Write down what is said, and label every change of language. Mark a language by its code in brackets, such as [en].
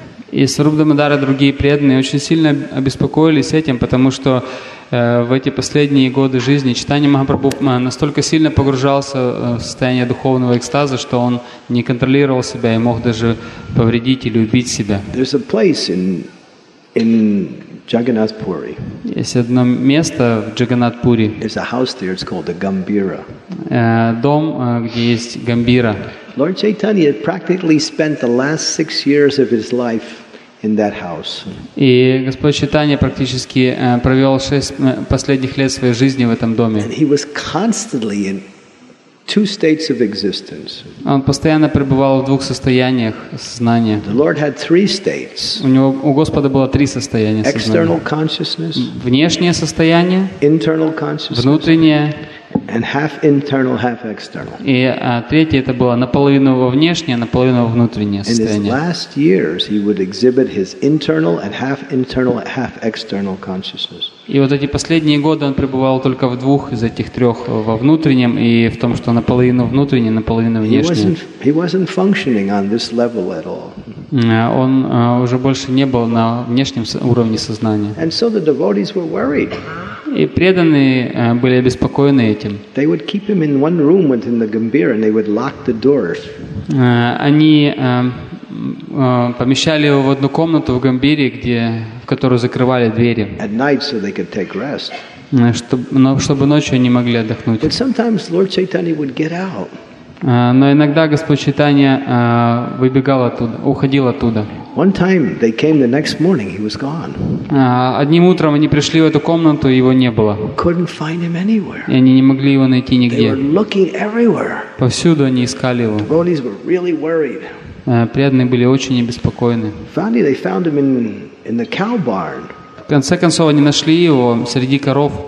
[ru] И Сарупа Дамодар и другие преданные очень сильно обеспокоились этим, потому что в эти последние годы жизни Чайтанья Махапрабху настолько сильно погружался в состояние духовного экстаза, что он не контролировал себя и мог даже повредить или убить себя. [en] There's a place in Jagannath Puri. [ru] Есть одно место в Джаганнат Пури. [en] There's a house there. It's called the Gambira. [ru] Дом, где есть Гамбира. [en] Lord Chaitanya practically spent the last 6 years of his life in that house. [ru] И Господь Чайтанья практически провел 6 последних лет своей жизни в этом доме. [en] And he was constantly in 2 states of existence. [ru] Он постоянно пребывал в 2 состояниях сознания. [en] The Lord had 3 states. [ru] У Господа было 3 состояния сознания. [en] External consciousness. [ru] Внешнее состояние. [en] Internal consciousness. [ru] Внутреннее. [en] And half internal, half external. [ru] И третье это было наполовину во внешнее, наполовину во внутреннее состояние. [en] In his last years, he would exhibit his internal and half external consciousness. [ru] И вот эти последние годы он пребывал только в 2 из этих 3 во внутреннем и в том, что наполовину внутреннее, наполовину внешнее. [en] He wasn't functioning on this level at all. [ru] Он уже больше не был на внешнем уровне сознания. [en] And so the devotees were worried. [ru] И преданные были обеспокоены этим. [en] They would keep him in one room within the Gambira, and they would lock the doors. [ru] Они помещали его в одну комнату в Гамбире, в которую закрывали двери. [en] At night, so they could take rest. [ru] Чтобы ночью они могли отдохнуть. [en] But sometimes Lord Chaitanya would get out. [ru] Но иногда Господь Чайтанья выбегал оттуда, уходил оттуда. [en] One time they came the next morning, he was gone. [ru] Одним утром они пришли в эту комнату, его не было. [en] Couldn't find him anywhere. [ru] И они не могли его найти нигде. [en] They were looking everywhere. [ru] Повсюду они искали его. [en] Devotees were really worried. [ru] Преданные были очень обеспокоены. [en] Finally, they found him in the cow barn. [ru] В конце концов, они нашли его среди коров.